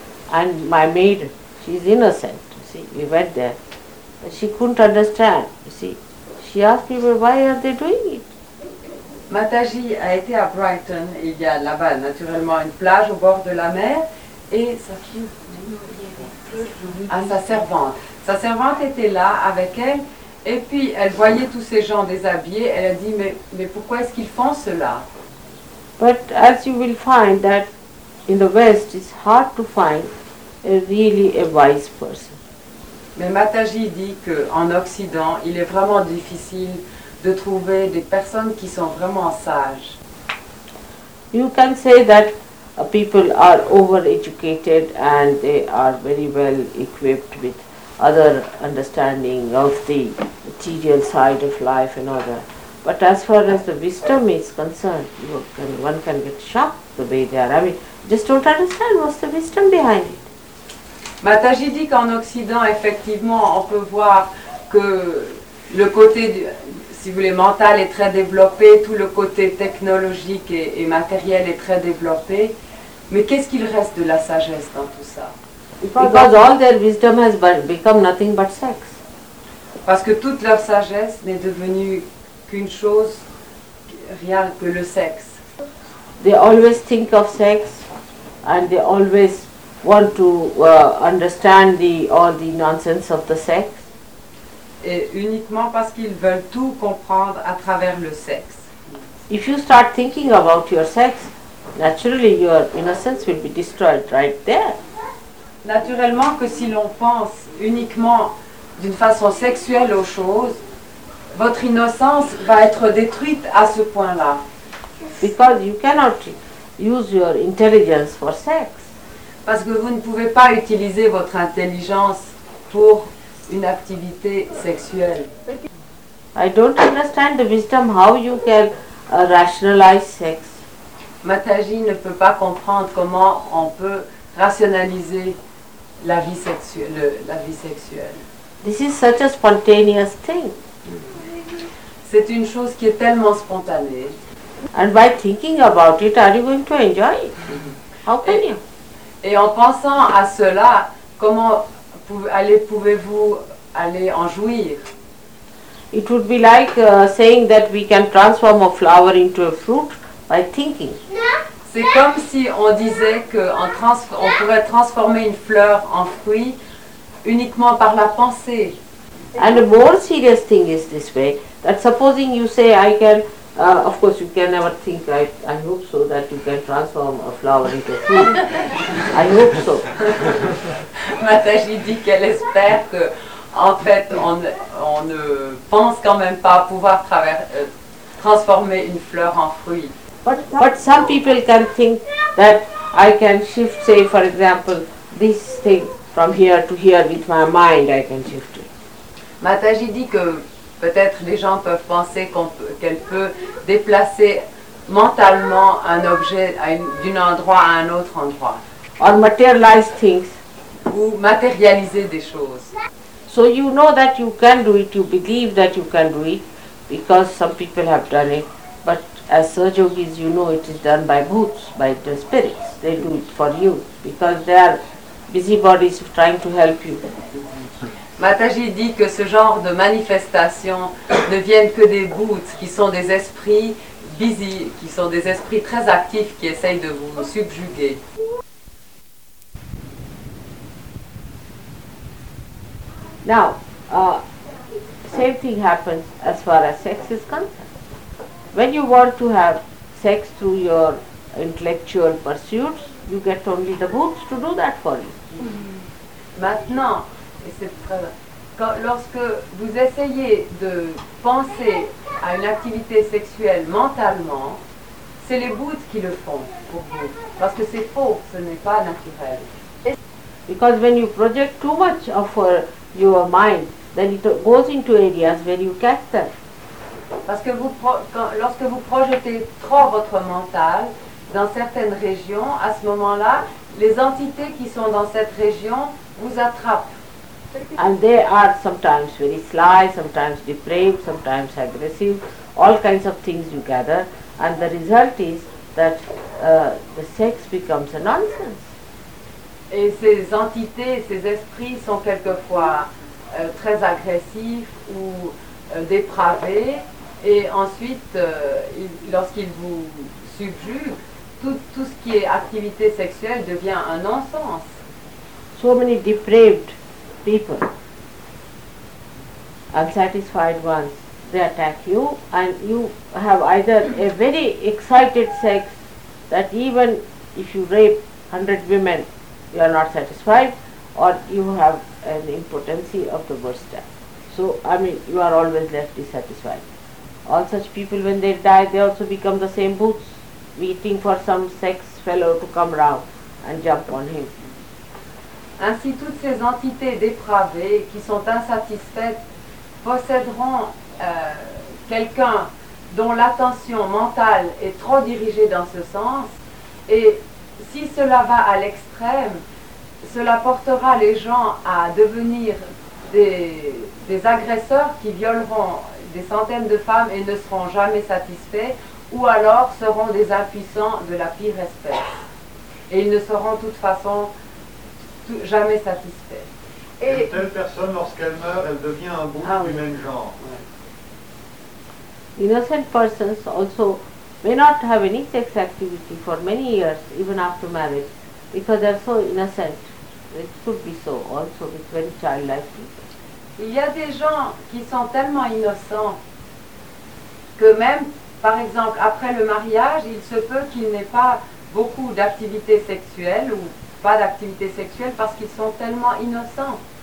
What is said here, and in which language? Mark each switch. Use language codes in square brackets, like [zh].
[en] And my maid, she's innocent, you see, we went there. But she couldn't understand, you see. She asked people, why are they doing it? [fr] Mataji a été à Brighton, il y a là-bas naturellement une plage au bord de la mer, et sa servante était là avec elle, et puis elle voyait tous ces gens déshabillés, elle a dit, mais pourquoi est-ce qu'ils font cela? [en] But as you will find that in the West it's hard to find a really a wise person. [fr] Mais Mataji dit qu'en Occident, il est vraiment difficile de trouver des personnes qui sont vraiment sages. [en] You can say that people are over-educated and they are very well equipped with other understanding of the material side of life and all that. But as far as the wisdom is concerned, one can get shocked the way they are. I mean, just don't understand what's the wisdom behind it. [fr] Mataji dit qu'en Occident, effectivement, on peut voir que le côté, si vous voulez, mental est très développé, tout le côté technologique et matériel est très développé. Mais qu'est-ce qu'il reste de la sagesse dans tout ça? [en] Because all their wisdom has become nothing but sex. [fr] Parce que toute leur sagesse n'est devenue qu'une chose, rien que le sexe. [en] They always think of sex and they always want to understand all the nonsense of the sex. [fr] Et uniquement parce qu'ils veulent tout comprendre à travers le sexe. [en] If you start thinking about your sex, naturally your innocence will be destroyed right there. [fr] Naturellement que si l'on pense uniquement d'une façon sexuelle aux choses, votre innocence va être détruite à ce point-là. [en] Because you cannot use your intelligence for sex. [fr] Parce que vous ne pouvez pas utiliser votre intelligence pour une activité sexuelle. [en] I don't understand the wisdom how you can rationalize sex. [fr] Mataji ne peut pas comprendre comment on peut rationaliser la vie sexuelle. [en] This is such a spontaneous thing. [fr] C'est une chose qui est tellement spontanée. [en] And by thinking about it, are you going to enjoy it? How can you? [fr] Et en pensant à cela, comment pouvez-vous aller en jouir? [en] It would be like saying that we can transform a flower into a fruit by thinking. [fr] C'est comme si on disait qu'on pourrait transformer une fleur en fruit uniquement par la pensée. [en] And a more serious thing is this way, that supposing you say I can, of course you can never think, I hope so, that you can transform a flower into a fruit. I hope so. [fr] Mataji dit qu'elle espère que, en fait, on ne pense quand même pas pouvoir transformer une fleur en fruit. [en] But some people can think that I can shift, say for example, this thing from here to here with my mind, I can shift it. [fr] Mataji dit que peut-être les gens peuvent penser qu'elle peut déplacer mentalement un objet d'un endroit à un autre endroit. [en] Or materialize things. [fr] Ou matérialiser des choses. [en] So you know that you can do it, you believe that you can do it, because some people have done it. But as Sahaja Yogis, you know it is done by bhuts, by the spirits. They do it for you, because they are busybodies trying to help you. [fr] Mataji dit que ce genre de manifestations ne viennent que des bhuts, qui sont des esprits busy, qui sont des esprits très actifs qui essayent de vous subjuguer. [en] Now, same thing happens as far as sex is concerned. When you want to have sex through your intellectual pursuits, you get only the books to do that for you. [fr] Maintenant, et c'est très bien, quand, lorsque vous essayez de penser à une activité sexuelle mentalement, c'est les bouddhas qui le font pour vous. Parce que c'est faux, ce n'est pas naturel. [en] Because when you project too much of your mind, then it goes into areas where you catch them. [fr] Parce que lorsque vous projetez trop votre mental dans certaines régions, à ce moment-là, les entités qui sont dans cette région vous attrapent. [en] And they are sometimes very sly, sometimes depraved, sometimes aggressive. All kinds of things you gather. And the result is that the sex becomes a nonsense. [fr] Et ces entités, ces esprits sont quelquefois très agressifs ou dépravés. Et ensuite, lorsqu'ils vous subjuguent, tout ce qui est activité sexuelle devient un non-sens. [en] So many depraved people, unsatisfied ones, they attack you, and you have either a very excited sex that even if you rape 100 women, you are not satisfied, or you have an impotency of the worst type. So, I mean, you are always left dissatisfied. All such people, when they die, they also become the same boots, waiting for some sex fellow to come round and jump on him. [fr] Ainsi, toutes ces entités dépravées qui sont insatisfaites posséderont quelqu'un dont l'attention mentale est trop dirigée dans ce sens, et si cela va à l'extrême, cela portera les gens à devenir des agresseurs qui violeront des centaines de femmes et ne seront jamais satisfaits, ou alors seront des impuissants de la pire espèce. Et ils ne seront de toute façon jamais satisfaits. Et une telle personne, lorsqu'elle meurt, elle devient un bouc du même genre. [en] Innocent persons also may not have any sex activity for many years, even after marriage, because they are so innocent. It could be so also with very childlike people. [fr] Il y a des gens qui sont tellement innocents que même, par exemple, après le mariage, il se peut qu'ils n'aient pas beaucoup d'activité sexuelle ou pas d'activité sexuelle parce qu'ils sont tellement innocents.